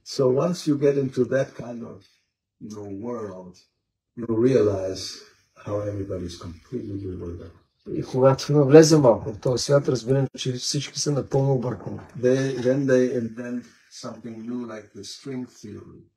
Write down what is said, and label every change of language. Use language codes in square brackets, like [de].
[en] So once you get into that kind of world, you realize how everybody's completely bewildered. [bg] И когато навлезе малко в този свят, разбирам, че всички са напълно объркани. [en] Then they invent something new like the string theory.